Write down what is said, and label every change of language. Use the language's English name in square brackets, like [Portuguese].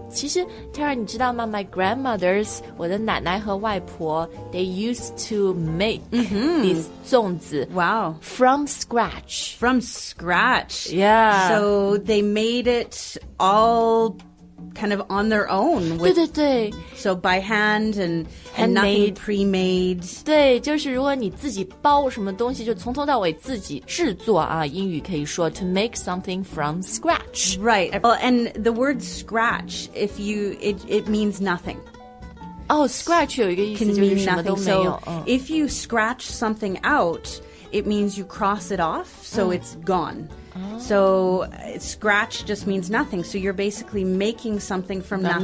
[Chinese] 其实 Tara, 你知道吗？ [English] My grandmothers, [Chinese] 我的奶奶和外婆 [English] they used to make、 [Chinese] mm-hmm. [English] these 粽子 Wow. From scratch. From scratch. Yeah. So they made it all kind of on their own. With, [Chinese] 对对对。 [English] So by hand and nothing pre-made. [Chinese] 对，就是如果你自己包什么东西，就从头到尾自己制作啊。英语可以说 [English] to make something from scratch. Right. Well, and the word scratch, if you, it means nothing. [Chinese] Oh, scratch 有一个意思就是什么都没有。 [English] So if you scratch something out, it means you cross it off, so it's gone. So, scratch just means nothing. So, you're basically making something from nothing.